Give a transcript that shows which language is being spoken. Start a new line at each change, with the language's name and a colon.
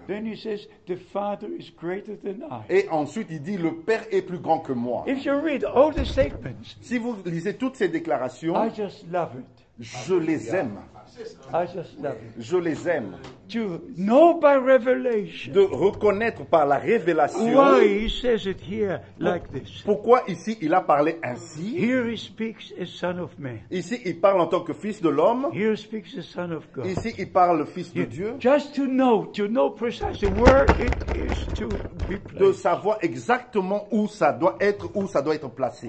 English: Then he says, the Father is greater than I.
French: Et ensuite, il dit, le Père est plus grand que moi.
English: If you read all the statements,
French: si vous lisez toutes ces déclarations,
English: I just love it.
French: Je les aime.
English: I just love it.
French: Je les aime.
English: To know by revelation.
French: De reconnaître par la révélation.
English: Why he says it here like this.
French: Pourquoi ici il a parlé ainsi?
English: Here he speaks as son of man.
French: Ici il parle en tant que fils de l'homme.
English: Here he speaks as son of God.
French: Ici il parle le fils de Dieu.
English: Just to know precisely where it is to be placed.
French: De savoir exactement où ça doit être placé.